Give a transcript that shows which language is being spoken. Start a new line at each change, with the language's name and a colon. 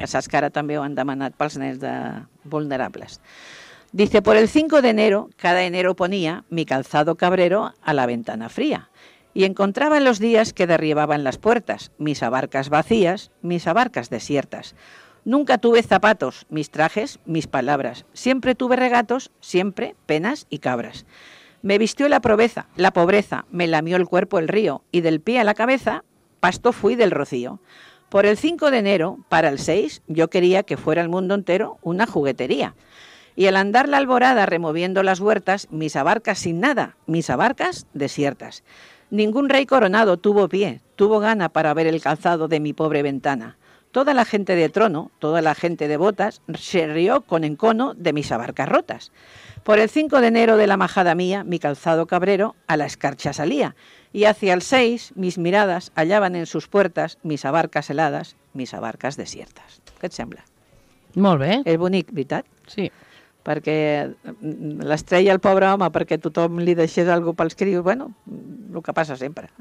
Catalan: Que saps que ara també ho han demanat pels nens de vulnerables.
Spanish: Dice, por el 5 de enero, cada enero ponía mi calzado cabrero a la ventana fría y encontraba en los días que derribaban las puertas, mis abarcas vacías, mis abarcas desiertas. Nunca tuve zapatos, mis trajes, mis palabras. Siempre tuve regatos, siempre penas y cabras. Me vistió la pobreza, me lamió el cuerpo el río y del pie a la cabeza, pasto fui del rocío. Por el 5 de enero, para el 6, yo quería que fuera el mundo entero una juguetería. Y al andar la alborada removiendo las huertas, mis abarcas sin nada, mis abarcas desiertas. Ningún rey coronado tuvo pie, tuvo gana para ver el calzado de mi pobre ventana. Toda la gente de trono, toda la gente de botas, se rió con encono de mis abarcas rotas. Por el 5 de enero de la majada mía, mi calzado cabrero a la escarcha salía. Y hacia el 6, mis miradas hallaban en sus puertas mis abarcas heladas, mis abarcas desiertas.
Catalan: ¿Qué te sembla? Molt bé. És bonic, ¿verdad? Sí. Perquè l'estrella, el pobre home, perquè tothom li deixés alguna cosa pels crios, bueno, el que passa sempre.